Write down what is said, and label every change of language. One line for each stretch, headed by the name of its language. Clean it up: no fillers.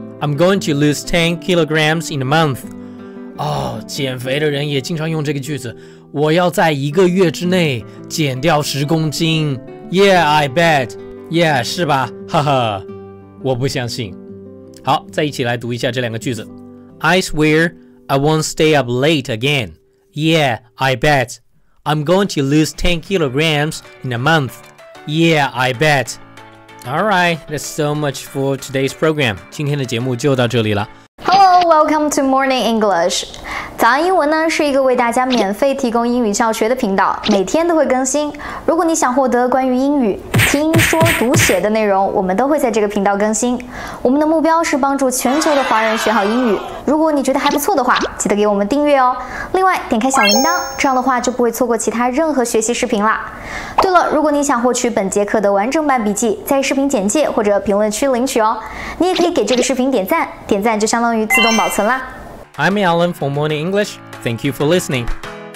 English: I'm going to lose 10 kilograms in a month.
Chinese: 哦，减肥的人也经常用这个句子，我要在一个月之内减掉10公斤。
English: Yeah, I bet. Yeah,
Chinese: 是吧，呵呵，我不相信。好，再一起来读一下这两个句子。
English: I swearI won't stay up late again. Yeah, I bet. I'm going to lose 10 kilograms in a month. Yeah, I bet. All right, that's so much for today's program.
Chinese: 今天的节目就到这里了。
English: Hello, welcome to Morning English.
Chinese: 早安英文呢是一个为大家免费提供英语教学的频道，每天都会更新。如果你想获得关于英语听说说读写的内容，我们都会在这个频道更新。我们的目标是帮助全球的华人学好英语。如果你觉得还不错的话，记得给我们订阅哦。另外，点开小铃铛，这样的话就不会错过其他任何学习视频啦。对了，如果你想获取本节课的完整版笔记，在视频简介或者评论区领取哦。你也可以给这个视频点赞，点赞就相当于自动保存啦。
English: I'm Alan for Morning English. Thank you for listening.